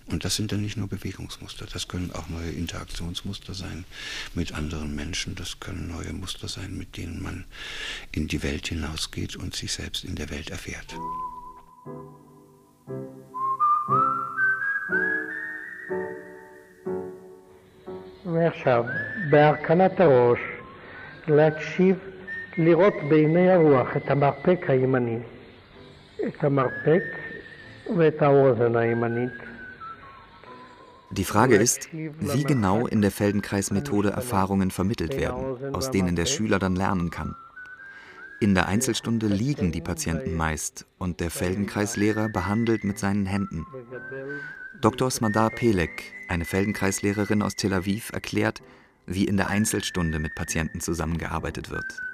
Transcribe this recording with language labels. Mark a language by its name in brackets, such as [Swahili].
[German] Und das sind dann nicht nur Bewegungsmuster, das können auch neue Interaktionsmuster sein mit anderen Menschen, das können neue Muster sein, mit denen man in die Welt hinausgeht und sich selbst in der Welt erfährt. [Hebrew] את המרפק ואת האוזן הימנית. [German] Die Frage ist, wie genau in der Feldenkrais-Methode Erfahrungen vermittelt werden, aus denen der Schüler dann lernen kann. In der Einzelstunde liegen die Patienten meist und der Feldenkrais-Lehrer behandelt mit seinen Händen. Dr. Smadar Pelek, eine Feldenkrais-Lehrerin aus Tel Aviv, erklärt, wie in der Einzelstunde mit Patienten zusammengearbeitet wird.